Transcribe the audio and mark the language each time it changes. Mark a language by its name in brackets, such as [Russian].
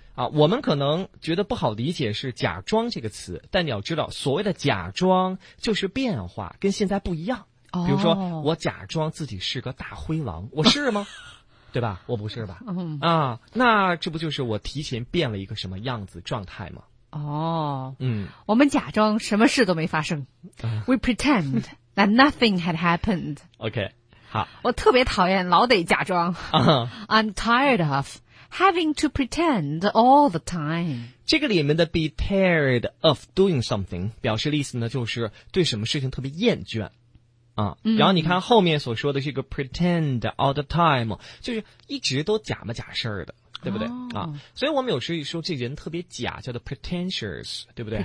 [Chinese] 啊，我们可能觉得不好理解是假装这个词，但你要知道，所谓的假装就是变化，跟现在不一样。比如说我假装自己是个大灰狼，我是吗？对吧，我不是吧、啊、那这不就是我提前变了一个什么样子状态吗？哦，嗯，我们假装什么事都没发生、 [English] We pretend that nothing had happened. [Chinese] OK， 好，我特别讨厌老得假装、 [English] I'm tired of having to pretend all the time. [Chinese] 这个里面的 [English] be tired of doing something [Chinese] 表示的意思呢，就是对什么事情特别厌倦，啊、嗯。然后你看后面所说的这个 [English] pretend all the time， [Chinese] 就是一直都假模假式的，对不对、哦、啊？所以我们有时候说这人特别假，叫做 pretentious， 对不对